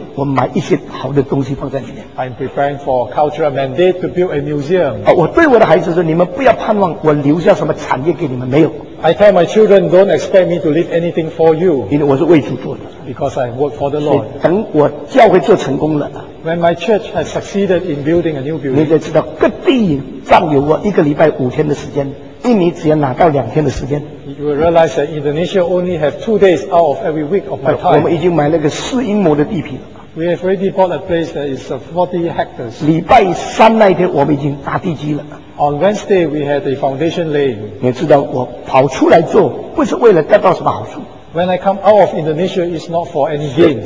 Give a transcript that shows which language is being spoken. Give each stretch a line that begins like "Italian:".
Chinese: 我真的预备文化使命，要建立一个博物馆，我买一些好的东西放在里面。
English: I'm preparing for a cultural mandate to build a museum.
Chinese: 我对我的孩子说，你们不要盼望我留下什么产业给你们，没有。
English: I tell my children, don't expect me to leave anything for you.
Chinese: 因为我是为主做的。
English: Because I work for the Lord.
Chinese: 等我教会做成功了。
English: When my church has succeeded in building a new building.
Chinese: 你就知道各地占有我一个礼拜5天的时间。印尼只要拿到2天的时间
English: You will realize that Indonesia only have 2 days out of every week of my time
Chinese: 我们已经买了个4英亩的地皮了
English: We have already bought a place that is 40 hectares
Chinese: 礼拜三那一天我们已经打地基了
English: On Wednesday we had a foundation laying
Chinese: 你知道我跑出来做不是为了得到什么好处
English: When I come out of Indonesia it's not for any gains